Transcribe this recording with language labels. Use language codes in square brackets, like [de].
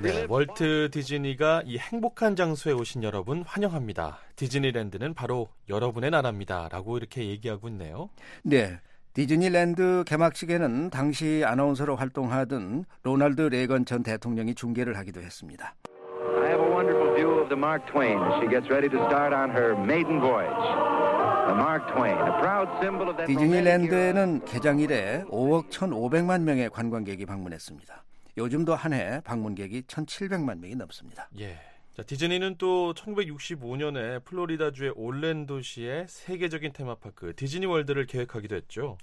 [ko] 네, 월트 디즈니가 이 행복한 장소에 오신 여러분 환영합니다. 디즈니랜드는 바로 여러분의 나라입니다라고 이렇게 얘기하고 있네요. 네. 디즈니랜드 개막식에는 당시 아나운서로 활동하던 로널드 레이건 전 대통령이 중계를 하기도 했습니다. [en] I have a wonderful view of the Mark Twain. She gets ready to start on her maiden voyage. The Mark Twain, a proud symbol of that. [ko] 디즈니랜드에는 개장 이래 5억 1,500만 명의 관광객이 방문했습니다. 요즘도 한 해 방문객이 1,700만 명이 넘습니다. 예. 자, 디즈니는 또 1965년에 플로리다주의 올랜도시에 세계적인 테마파크 디즈니 월드를 계획하기도 했죠.